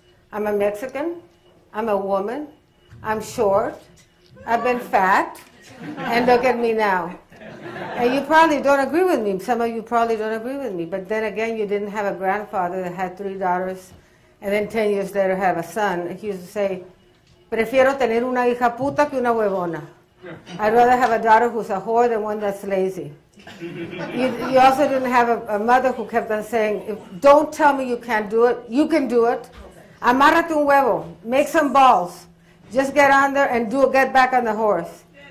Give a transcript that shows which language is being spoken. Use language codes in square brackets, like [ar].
[en] I'm a Mexican. I'm a woman. I'm short. I've been fat. And look at me now. And you probably don't agree with me. Some of you probably don't agree with me. But then again, you didn't have a grandfather that had three daughters and then 10 years later have a son. He used to say, [es] prefiero tener una hija puta que una huevona. [en] I'd rather have a daughter who's a whore than one that's lazy. You also didn't have a mother who kept on saying, don't tell me you can't do it. You can do it. [es] Amárrate un huevo. [en] Make some balls. Just get on there and do it. Get back on the horse.